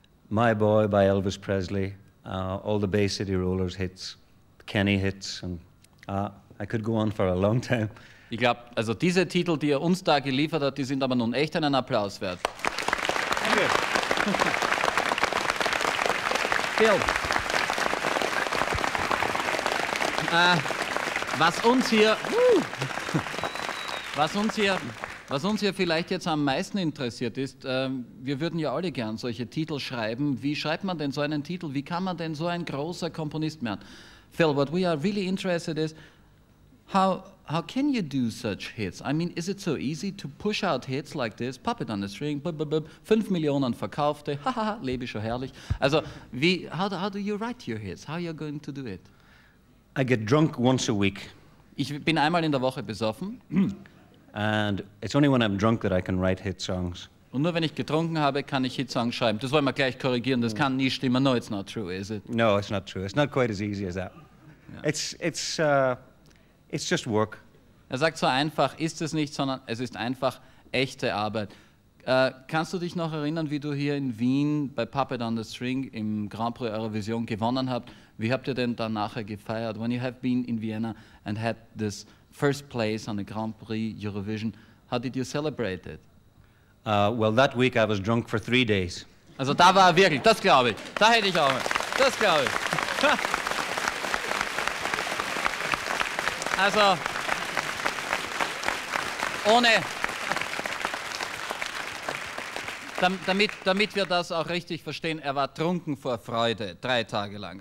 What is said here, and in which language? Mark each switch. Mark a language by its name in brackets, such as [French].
[English] My Boy by Elvis Presley, all the Bay City Rollers hits, Kenny hits, and I could go on for a long time. [German] Ich glaube, also diese Titel, die er uns da geliefert hat, die sind aber nun echt einen Applaus wert. Danke. Phil, was uns hier vielleicht jetzt am meisten interessiert ist, wir würden ja alle gern solche Titel schreiben. Wie schreibt man denn so einen Titel? Wie kann man denn so ein großer Komponist werden? [English] Phil, what we are really interested is, how can you do such hits? I mean, is it so easy to push out hits like this? Puppet on the String, [German] 5 Millionen verkaufte, haha, lebe schon herrlich. [English] Also, how do you write your hits? How are you going to do it? I get drunk once a week. [German] Ich bin einmal in der Woche besoffen. [English] And it's only when I'm drunk that I can write hit songs. [German] Und nur wenn ich getrunken habe, kann ich Hitsongs schreiben. Das wollen wir gleich korrigieren, das kann nie stimmen. [English] No, it's not true, is it? No, it's not true. It's not quite as easy as that. Yeah. It's just work. [German] Er sagt so einfach, ist es nicht, sondern es ist einfach echte Arbeit. Kannst du dich noch erinnern, wie du hier in Wien bei Puppet on the String im Grand Prix Eurovision gewonnen habt? Wie habt ihr denn dann nachher gefeiert? [English] When you have been in Vienna and had this first place on the Grand Prix Eurovision, how did you celebrate it? Well, that week I was drunk for 3 days. [German] Also da war er wirklich, das glaube ich. Da hätte ich auch mal. Das glaube ich. Also, ohne, damit wir das auch richtig verstehen, er war trunken vor Freude 3 Tage lang.